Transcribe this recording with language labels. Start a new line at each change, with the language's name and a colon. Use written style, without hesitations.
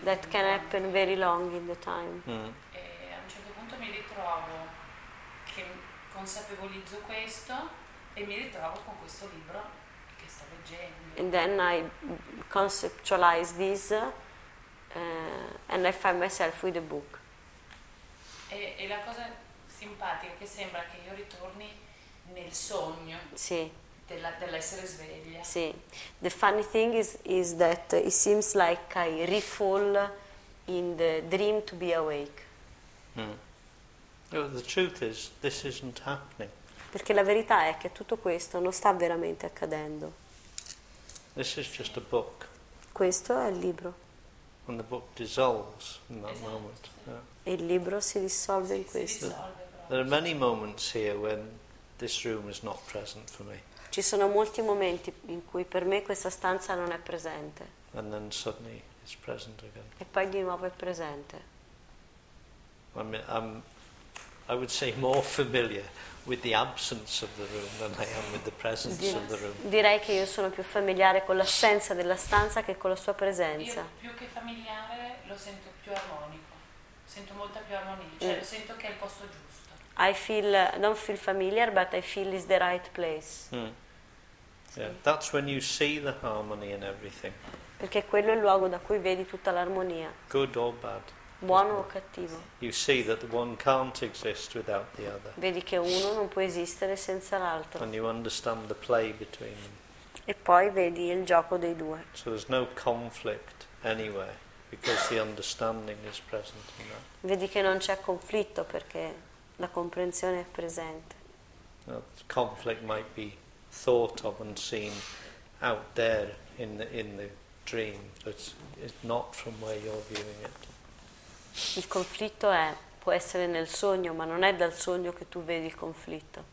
English: that can happen very long in the time.
Italian: E a un certo punto mi ritrovo che consapevolizzo questo e mi ritrovo con questo libro.
English: And then I conceptualize this and I find myself with a book.
Italian: E la cosa simpatica è che sembra che io ritorni nel sogno. Sì. Dell'essere sveglia. Sì.
English: The funny thing is that it seems like I refall in the dream to be awake. Mm. The truth is this isn't happening.
Italian: Perché la verità è che tutto questo non sta veramente accadendo.
English: This is just a book.
Italian: Questo è il libro.
English: And the book dissolves in that
Italian: esatto,
English: moment.
Italian: Sì. Yeah. E il libro si risolve in questo.
English: There are many moments here when this room is not present for me.
Italian: Ci sono molti momenti in cui per me questa stanza non è presente.
English: And then suddenly it's present again.
Italian: E poi di nuovo è presente.
English: I would say more familiar with the absence of the room than I am with the presence of the room.
Italian: Direi che io sono più familiare con l'assenza della stanza che con la sua presenza. Io più che familiare lo sento più armonico. Sento molta più armonia, cioè lo sento che è il posto giusto.
English: I don't feel familiar, but I feel it's the right place. Yeah, that's when you see the harmony in everything.
Italian: Perché quello è il luogo da cui vedi tutta l'armonia.
English: Good or bad.
Italian: Buono o cattivo.
English: You see that one can't exist without the other.
Italian: Vedi che uno non può esistere senza l'altro.
English: And you understand the play between them.
Italian: E poi vedi il gioco dei due.
English: So there's no conflict anywhere because the understanding is present in that.
Italian: Vedi che non c'è conflitto perché la comprensione è presente.
English: Conflict might be thought of and seen out there in the dream, but it's not from where you're viewing it.
Italian: Il conflitto è, può essere nel sogno, ma non è dal sogno che tu vedi il conflitto.